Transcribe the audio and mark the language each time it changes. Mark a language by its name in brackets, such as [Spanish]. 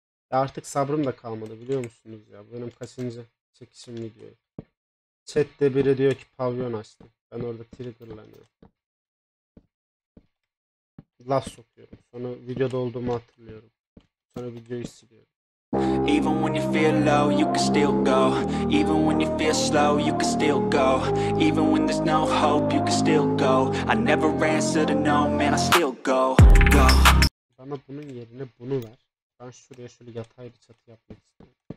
[Turkish] Artık sabrım da kalmadı biliyor musunuz ya? Benim kaçıncı çekişim video. Chat'te biri diyor ki pavyon açtı. Ben orada triggerlanıyorum. Laf sokuyorum. Sonra videoda olduğumu hatırlıyorum. Sonra videoyu siliyorum. [English] Even when you feel low, you can still go. Even when you feel slow, you can still go. Even when there's no hope, you can still go. I never answer to no, man, I still go. Go. [Turkish] Bana bunun yerine bunu ver. Ben şuraya şöyle yatay bir çatı yapmak istiyorum.